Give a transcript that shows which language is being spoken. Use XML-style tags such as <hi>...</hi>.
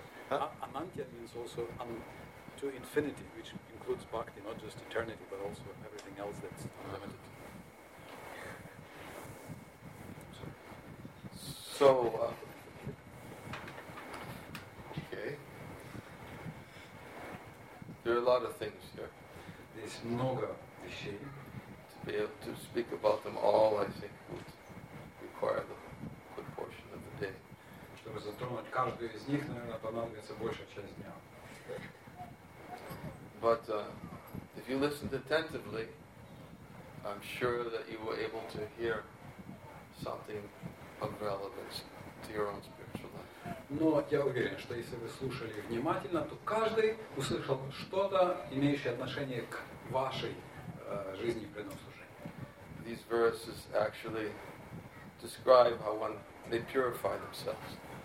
<en>Ananta means also to infinity, which includes bhakti, not just eternity, but also everything else that's unlimited. So, there are a lot of things here. There's</en> <ru>много вещей.</ru> <en>To be able to speak about them all, I think, would require a good portion of the day.</en> <ru>Чтобы затронуть каждую из них, наверное, понадобится большая часть дня.</ru> <en>But if you listened attentively, I'm sure that you were able to hear something of relevance to your own spiritual life.</en> <ru>Но я уверен, что если вы слушали внимательно, то каждый услышал что-то, имеющее отношение к вашей жизни в преданном служении.</ru> <en>These verses actually describe how one may purify themselves.</en>